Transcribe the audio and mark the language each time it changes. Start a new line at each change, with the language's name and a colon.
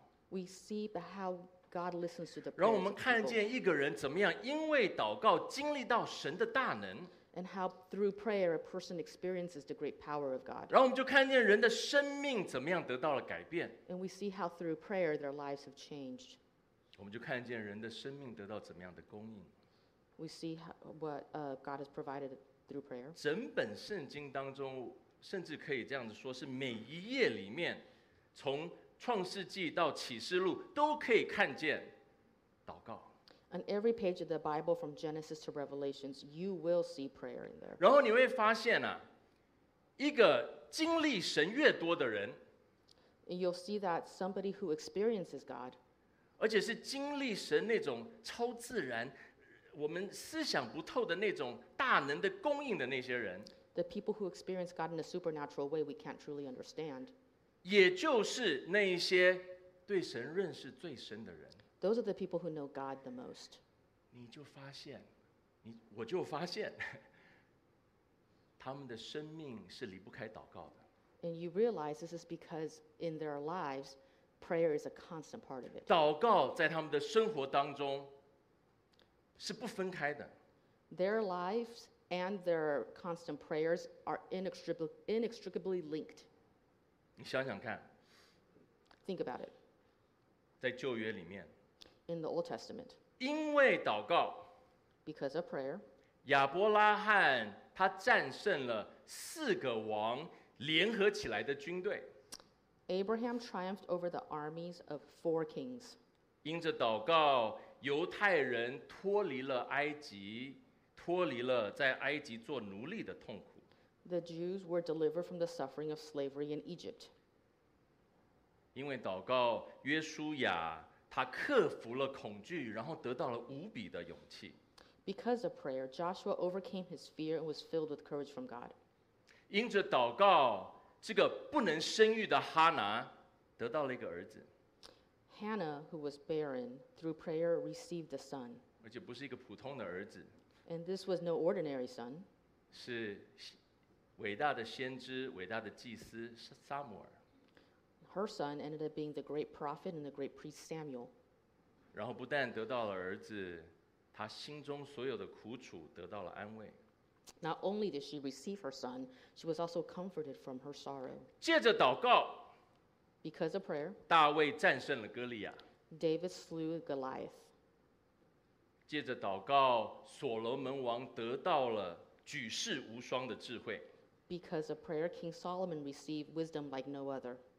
English: We see how God listens to the prayers of people. And how through prayer a person experiences the great power of God. And we see how through prayer their lives have changed.
Chinese: 我们就看见人的生命得到怎么样的供应。
English: We see what God has provided through prayer.
Chinese: 整本圣经当中，甚至可以这样子说，是每一页里面，从创世纪到启示录，都可以看见祷告。
English: On every page of the Bible, from Genesis to Revelations, you will see prayer in there.
Chinese: 然后你会发现啊，一个经历神越多的人
English: ，You'll see that somebody who experiences God.
Chinese: 而且是经历神那种超自然，我们思想不透的那种大能的供应的那些人
English: ，The people who experience God in a supernatural way we can't truly understand，
Chinese: 也就是那一些对神认识最深的人
English: ，Those are the people who know God the most。
Chinese: 你就发现，我就发现，他们的生命是离不开祷告的。
English: And you realize this is because in their lives。 Prayer is a constant part of it.
Chinese: 祷告在他们的生活当中是不分开的。
English: Their lives and their constant prayers are inextricably linked.
Chinese: 你想想看。
English: Think about it.
Chinese: 在旧约里面。
English: In the Old Testament.
Chinese: 因为祷告。
English: Because of prayer.
Chinese: 亚伯拉罕他战胜了四个王联合起来的军队。
English: Abraham triumphed over the armies of four kings.
Chinese: 因着祷告，犹太人脱离了埃及，脱离了在埃及做奴隶的痛苦。
English: The Jews were delivered from the suffering of slavery in Egypt.
Chinese: 因为祷告，约书亚他克服了恐惧，然后得到了无比的勇气。
English: Because of prayer, Joshua overcame his fear and was filled with courage from God.
Chinese: 因着祷告。这个不能生育的哈拿得到了一个儿子。
English: Hannah, who was barren, through prayer received a son.
Chinese: 而且不是一个普通的儿子。
English: And this was no ordinary son.
Chinese: 是伟大的先知，伟大的祭司撒母耳。
English: Her son ended up being the great prophet and the great priest Samuel.
Chinese: 然后不但得到了儿子，他心中所有的苦楚得到了安慰。
English: Not only did she receive her son, she was also comforted from her sorrow.
Chinese: 借着祷告
English: Because of prayer,
Chinese: 大卫战胜了哥利亚
English: David slew Goliath.
Chinese: 借着祷告，所罗门王得到了举世无双的智慧
English: Because of prayer, King Solomon received wisdom like no other.